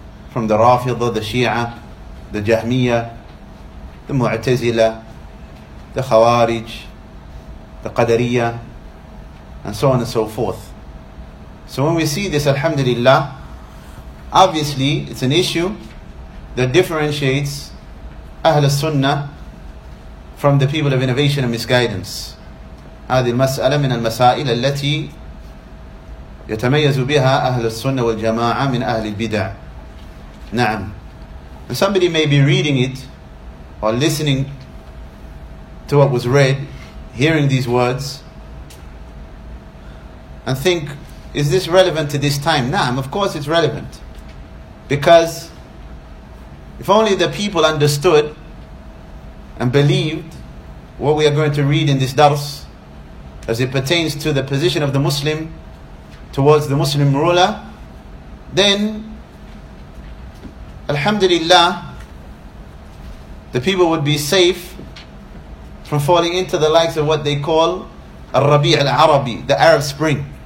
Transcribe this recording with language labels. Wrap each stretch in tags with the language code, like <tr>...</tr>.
<en>from the Rafidah, the Shia, the Jahmiyyah, the Mu'tazila, the Khawarij, the Qadariyya, and so on and so forth. So when we see this, Alhamdulillah, obviously it's an issue that differentiates Ahl al-Sunnah from the people of innovation and misguidance.</en> <ar>هذه المسألة من المسائل التي يتميز بها أهل السنة والجماعة من أهل البدع. نعم.</ar> <en>And somebody may be reading it or listening to what was read, hearing these words, and think, is this relevant to this time? نعم, of course it's relevant. Because if only the people understood and believed what we are going to read in this dars as it pertains to the position of the Muslim towards the Muslim ruler, then Alhamdulillah, the people would be safe from falling into the likes of what they call al-Rabi' al-Arabi, the Arab Spring.</en>